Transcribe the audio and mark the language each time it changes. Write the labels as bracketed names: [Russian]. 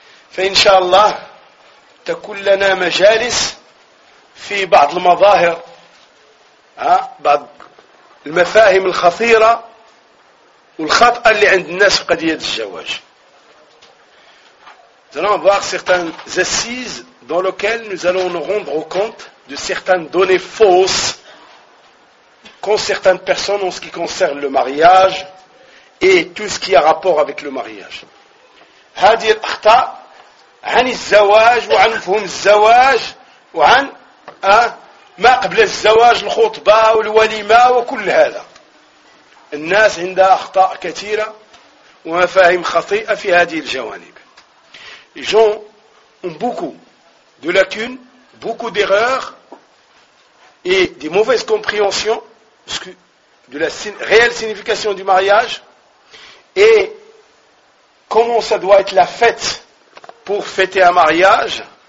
[Arabic] فإن شاء الله تكون لنا مجالس في بعض المظاهر، بعض المفاهيم الخطيرة والخطأ اللي عند الناس في قضية الزواج. [French] Nous allons voir certaines assises dans lesquelles nous allons nous rendre compte de certaines données fausses qu'ont certaines personnes en ce qui concerne le mariage et tout ce qui a rapport avec le mariage. [Arabic] هذه الأخطاء عن الزواج وعن مفهوم الزواج وعن ما قبل الزواج، الخطبة والوليمة وكل هذا. الناس عندها أخطاء كثيرة ومفاهيم خطيئة في هذه الجوانب. [French] Les gens ont beaucoup de lacunes, beaucoup d'erreurs et des mauvaises compréhensions de la réelle signification du mariage et comment ça doit être la fête pour fêter un mariage,